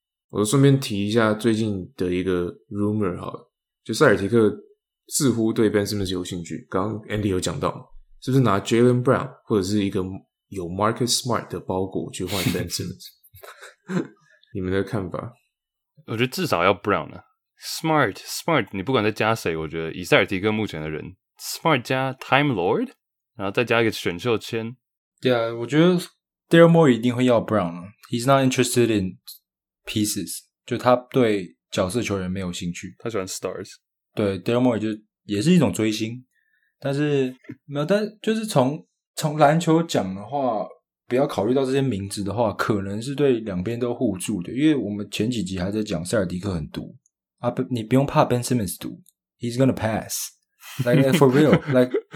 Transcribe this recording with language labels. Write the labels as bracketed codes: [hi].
[zh] 我顺便提一下最近的一个 rumor 好了，就塞尔提克似乎对 Ben Simmons 有兴趣，刚刚 Andy 有讲到嘛，是不是拿 Jalen Brown 或者是一个有 Marcus Smart 的包裹去换 Ben Simmons？你们的看法？我觉得至少要 Brown 啊， Smart 你不管再加谁，我觉得以塞尔提克目前的人， Smart 加 Time Lord， 然后再加一个选秀签。 Yeah， 我觉得 Daryl Morey 一定会要 Brown 啊， [en] He's not interested in。 [zh] Pieces 就他对角色球员没有兴趣，他喜欢 stars。对 ，Daryl Morey 就也是一种追星，但是没有，但就是从篮球讲的话，不要考虑到这些名字的话，可能是对两边都互助的，因为我们前几集还在讲塞尔迪克很毒啊，你不用怕 Ben Simmons 毒 ， [en] He's gonna pass like for real like